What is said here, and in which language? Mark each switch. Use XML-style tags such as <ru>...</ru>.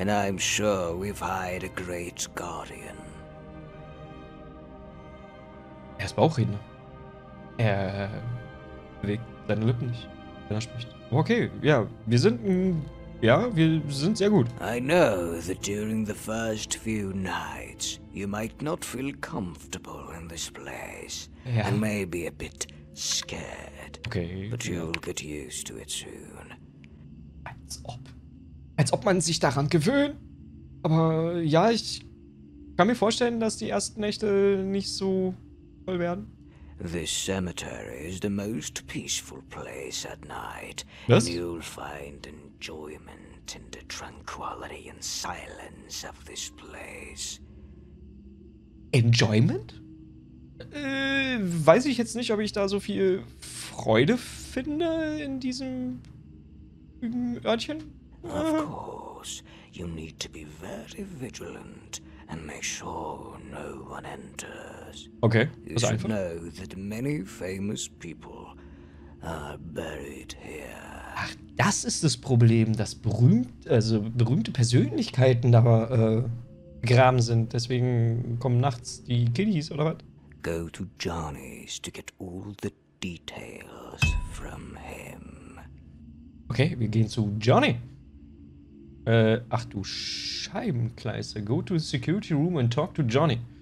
<en>And I'm sure we've hired a great guardian.</en> <de>Er ist Bauchredner. Er bewegt seine Lippen nicht, wenn er spricht. Okay, ja, wir sind sehr gut.</de> <en>I know that during the first few nights you might not feel comfortable in this place.</en> <de>Ja.</de> <en>And maybe a bit scared. Okay. But you'll get used to it soon.</en> <de>Als ob man sich daran gewöhnt. Aber ja, ich kann mir vorstellen, dass die ersten Nächte nicht so toll werden.</de> <en>This cemetery is the most peaceful place at night.</en> <de>Was?</de> <en>You'll find enjoyment in the tranquility and silence of this place. Enjoyment?</en> <de>Weiß ich jetzt nicht, ob ich da so viel Freude finde in diesem Örtchen.</de> <en>Of course, you need to be very vigilant and make sure no one enters. Okay, you should know that many famous people are buried here.</en> <de>Ach, das ist das Problem, dass berühmte Persönlichkeiten da begraben sind. Deswegen kommen nachts die Kiddies, oder was?</de> <en>Go to Johnny's to get all the details from him.</en> <de>Okay, wir gehen zu Johnny. Ach du Scheibenkleister.</de> <en>Go to the security room and talk to Johnny.</en>